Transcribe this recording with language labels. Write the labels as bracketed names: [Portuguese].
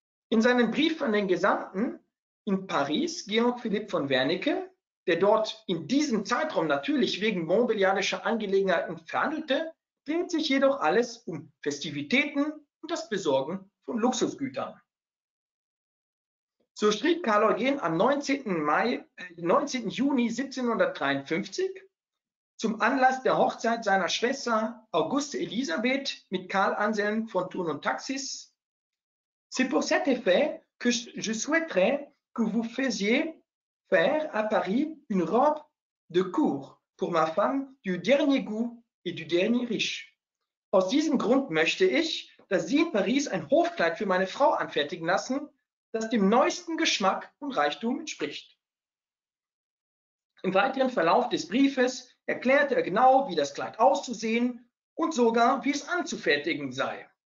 [German] In seinem Brief an den Gesandten in Paris, Georg Philipp von Wernicke, der dort in diesem Zeitraum natürlich wegen montbéliardischer Angelegenheiten verhandelte, dreht sich jedoch alles um Festivitäten und das Besorgen von Luxusgütern. So schrieb Karl Eugen am 19. Juni 1753 zum Anlass der Hochzeit seiner Schwester Auguste Elisabeth mit Karl Anselm von Thun und Taxis: [French] C'est pour cet effet que je souhaiterais que vous faisiez faire à Paris une robe de cour pour ma femme du dernier goût et du dernier riche. [German] Aus diesem Grund möchte ich, dass Sie in Paris ein Hofkleid für meine Frau anfertigen lassen, das dem neuesten Geschmack und Reichtum entspricht. Im weiteren Verlauf des Briefes erklärte er genau, wie das Kleid auszusehen und sogar, wie es anzufertigen sei.